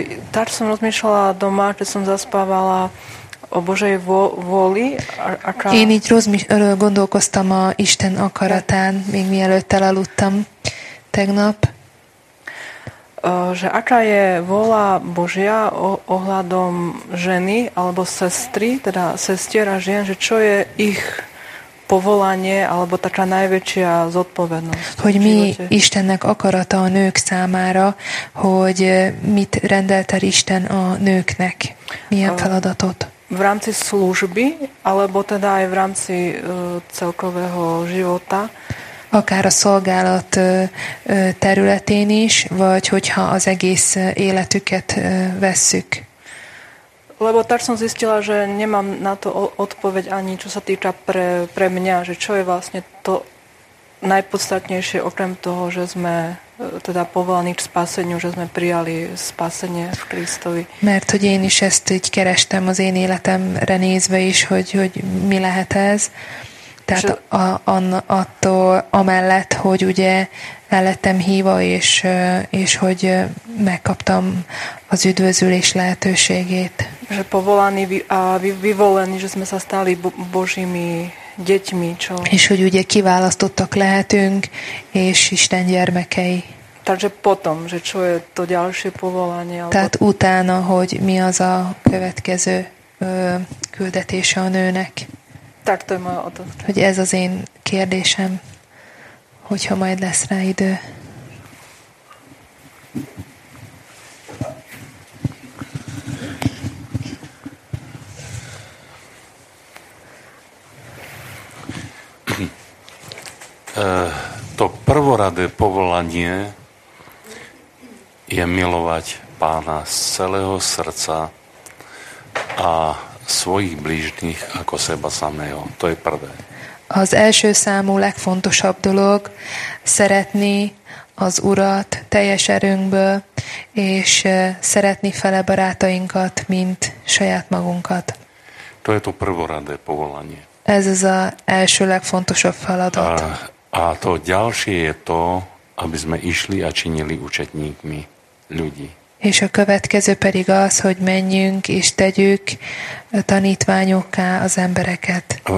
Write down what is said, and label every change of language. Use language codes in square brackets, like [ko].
[sk] Tak som rozmýšľala doma, keď som zaspávala o Božej vôli. [hu] Én így gondolkoztam a Isten akaratán, még mielőtt elaludtam tegnap. [sk] Že aká je vôľa Božia ohľadom ženy alebo sestry, teda sestier a žien, že čo je ich povolanie alebo taká najväčšia zodpovednosť. [hu] Hogy mi Istennek akarata a nők számára, hogy mit rendelt el Isten a nőknek? Milyen feladatot? [sk] V rámci služby, alebo teda aj v rámci celkového života? [hu] Akár a szolgálat területén is, vagy hogyha az egész életüket vesszük. [sk] Lebo tak som zistila, že nemám na to odpoveď ani, čo sa týka pre mňa, že čo je vlastne to najpodstatnejšie, okrem toho, že sme teda povolaní k spaseniu, že sme prijali spasenie v Kristovi. [hu] Mert hogy én is ezt így kerestem az én életemre nézve is, hogy mi lehet ez. Tehát attól amellett, hogy ugye lettem híva, és hogy megkaptam az üdvözülés lehetőségét. [sk] Že povolaní a vyvolení, že sme sa stali Božími deťmi, čo? [hu] És hogy ugye kiválasztottak lehetünk, és Isten gyermekei. [sk] Takže potom, že čo je to ďalšie povolanie? Alebo... [hu] Tehát utána, hogy mi az a következő küldetése a nőnek. [sk] Tak to je moja otázka. [hu] Hogy ez az én kérdésem, hogyha majd lesz rá idő. [sk] To prvoradé povolanie je milovať Pána z celého srdca a svojich blížnych ako seba samého. To je prvé. [hu] Az első számú legfontosabb dolog szeretni az Urat teljes erőnkből, és szeretni fele barátainkat, mint saját magunkat. [sk] To je to prvoradé povolanie. [hu] Ez az a első legfontosabb feladat. [sk] A to ďalšie je to, aby sme išli a činili učetníkmi ľudí. [hu] És a következő pedig az, hogy menjünk és tegyük tanítványokká az embereket.